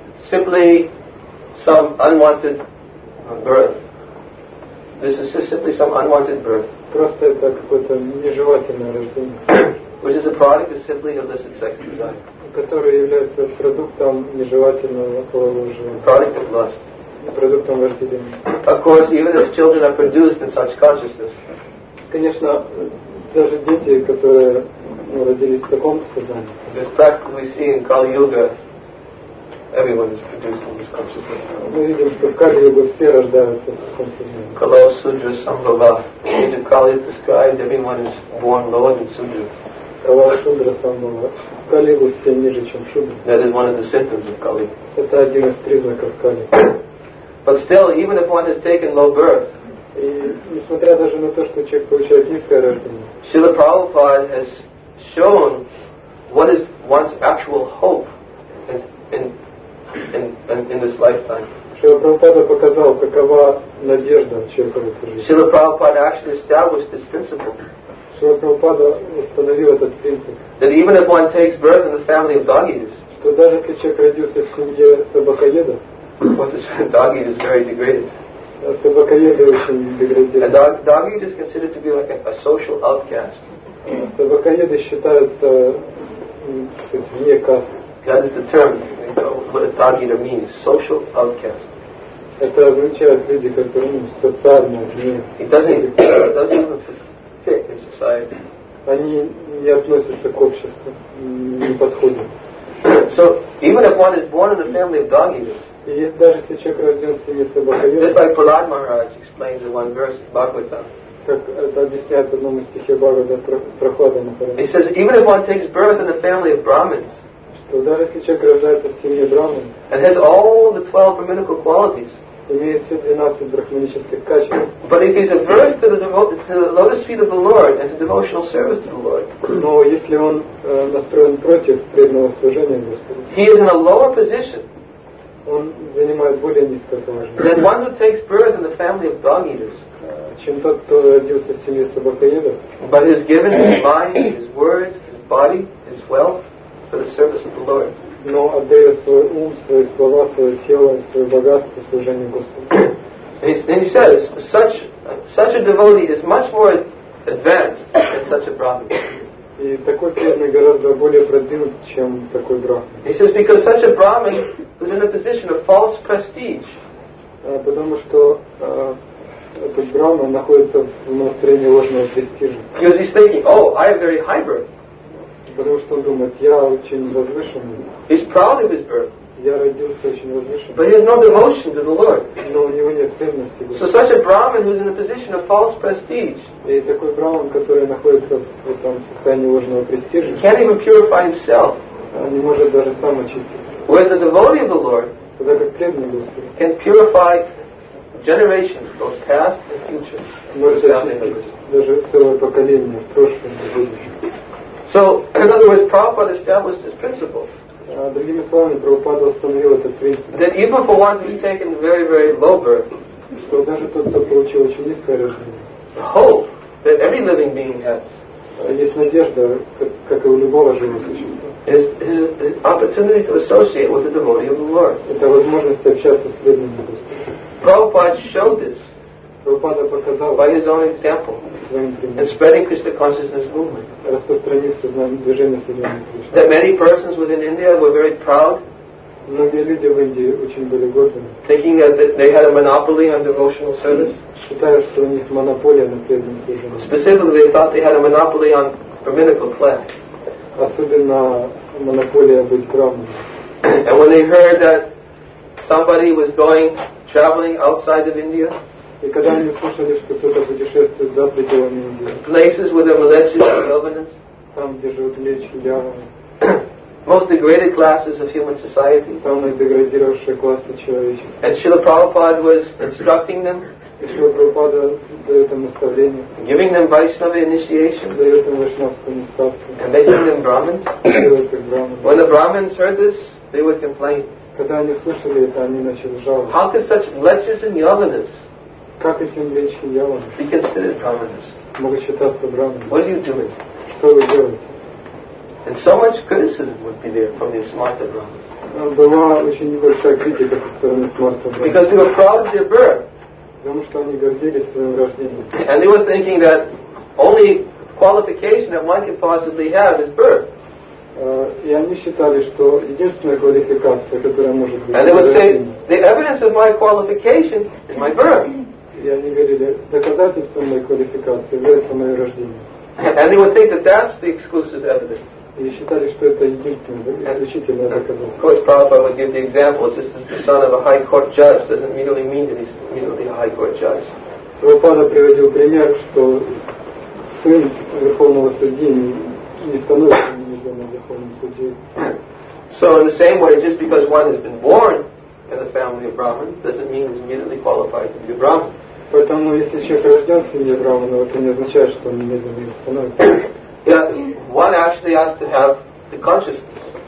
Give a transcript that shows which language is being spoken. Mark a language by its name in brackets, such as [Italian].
[English] Simply some unwanted birth. This is just simply some unwanted birth. [Russian] Просто это какое-то нежелательное рождение. [English] Which is a product of simply illicit sex desire. [Russian] Которое является продуктом нежелательного полового желания. [English] Product of lust. [Russian] Продуктом вожделения. [English] Of course, even if children are produced in such consciousness. [Russian] Конечно, даже дети, которые родились в таком сознании. [English] This practice we see in Kali Yuga. Everyone is produced in this consciousness. [Russian] Мы видим, что в Кали-Юге все рождаются в таком сознании. [Sanskrit] Kala Sudra Sambhava. [English] In Kali is described, everyone is born lower than Sudra. [Sanskrit] Kala Sudra Sambhava. [Russian] Кали-Юге все ниже, чем Шудра. [English] That is one of the symptoms of Kali. [Russian] Это один из признаков Кали. [English] But still, even if one has taken low birth, [Russian] и несмотря даже на то, что человек получает низкое рождение, [English] Srila Prabhupada has shown what is one's actual hope in this lifetime. [Russian] Srila Prabhupada показал, какова надежда человека в этой жизни. [English] Srila Prabhupada actually established this principle. [Russian] Srila Prabhupada установил этот принцип. [English] That even if one takes birth in the family of doggies, [Russian] что даже если человек родился в семье собакоедов, [English] what is doggy is very degraded. [Russian] А собакоеды очень деградируют. [English] Doggy is considered to be like a social outcast. [Russian] Собакоеды считаются вне касты. [English] That is the term, what a doggy means, social outcast. [Russian] Это означает люди, которые социально вне. [English] It doesn't fit in society. [Russian] Они не относятся к обществу, не подходят. [English] So even if one is born in the family of doggies. [Russian] Даже если человек родился не собакоедом. [English] Just like Prahlad Maharaj explains in one verse of Bhagavatam. [Russian] Как это объясняет в одном из стихов Бхагавата Прохлада Махараджа. [English] He says, even if one takes birth in the family of Brahmins. [Russian] Что даже если человек рождается в семье Брахмин. [English] And has all the 12 brahminical qualities. [Russian] Имеет все 12 брахманических качеств. [English] But if he's averse to the lotus feet of the Lord and to devotional service to the Lord. [Russian] Но если он настроен против преданного служения Господу. [English] He is in a lower position. [Russian] Он занимает более низкое положение. [English] Then one who takes birth in the family of dog eaters. [Russian] Чем тот, кто родился в семье собакоедов. [English] But is given his mind, his words, his body, his wealth for the service of the Lord. [Russian] Но отдает свой ум, свои слова, свое тело, свое богатство служению Господу. [English] And he says such a devotee is much more advanced than such a brahmin. [Russian] И такой преданный гораздо более продвинут, чем такой брахман. [English] He says because such a brahmin was in a position of false prestige. [Russian] Потому что этот брахман находится в настроении ложного престижа. [English] Because he's thinking, oh, I have very high birth. [Russian] Потому что он думает, я очень возвышенный. [English] He's proud of his birth. [Russian] Я родился очень возвышенным. [English] But he has no devotion to the Lord. [Russian] Но у него нет преданности. [English] So such a brahmin who is in a position of false prestige. [Russian] И такой брахман, который находится в этом состоянии ложного престижа. [English] Can't even purify himself. [Russian] Не может даже сам очиститься. [English] Whereas a devotee of the Lord. [Russian] Тогда как преданный Господу. [English] Can purify generations, both past and future. [Russian] Может очиститься даже целое поколение в прошлом и будущем. [English] So in other words, Prabhupada established this principle. [Russian] Другими словами, Прабхупада установил этот принцип. [English] That even for one who's taken very, very low birth, [Russian] что даже тот, кто получил очень низкое рождение, [English] hope that every living being has, [Russian] есть надежда, как и у любого живого существа, [English] is the opportunity to associate with the devotee of the Lord. [Russian] Это возможность общаться с преданным Господом. [English] Prabhupada showed this. [Russian] Прабхупада показал [English] by his own example and spreading Krishna consciousness movement. [Russian] Распространив сознание движения сознания Кришны. [English] That many persons within India were very proud. [Russian] Многие люди в Индии очень были гордыми. [English] Thinking that they had a monopoly on devotional service. [Russian] Считая, что у них монополия на преданном служении. [English] Specifically, they thought they had a monopoly on brahminical class. [Russian] Особенно монополия быть брахманом. [English] And when they heard that somebody was going traveling outside of India. [Russian] И когда они слышали, что кто-то путешествует за пределами Индии. [English] Places where there were leches and ravenous. [Russian] Там, где живут лечи, дьяволы. [English] Most degraded classes of human society. [Russian] Самые деградировавшие классы человечества. [English] And Srila Prabhupada was instructing them. [Russian] И Srila Prabhupada дает им наставление. [English] Giving them Vaishnava initiation. [Russian] Дает им вайшнавскую инициацию. [English] And making them Brahmins. When the Brahmins heard this. they would complain. [Russian] Когда они слышали это, они начали жаловаться. [English] How could such lechers and yavanas? [Russian] Как эти лечки яваны? [English] Be considered brahmanas. [Russian] Могут считаться брахманами. [English] What are you doing? [Russian] Что вы делаете? [English] And so much criticism would be there from these smarter brahmanas. [Russian] Была очень небольшая критика со стороны смарта брахманов. [English] Because they were proud of their birth. [Russian] Потому что они гордились своим рождением. [English] And they were thinking that only qualification that one could possibly have is birth. [Russian] И они считали, что единственная квалификация, которая может быть, [English] and they would say, the evidence of my qualification is my birth. [Russian] И они говорили, доказательство моей квалификации является мое рождение. [English] And they would think that that's the exclusive evidence. [Russian] И считали, что это единственное, исключительное доказательство. [English] Of course, Prabhupada would give the example, just as the son of a high court judge doesn't immediately mean that he's immediately a high court judge. [Russian] Prabhupada приводил пример, что сын верховного судьи не становится немедленно верховным судьей. [English] So in the same way, just because one has been born in a family of Brahmins doesn't mean he's immediately qualified to be a Brahmin. [Russian] Поэтому если человек рожден в семье Брахманов, это не означает, что он немедленно становится. [English] Yeah, one actually has to have the consciousness.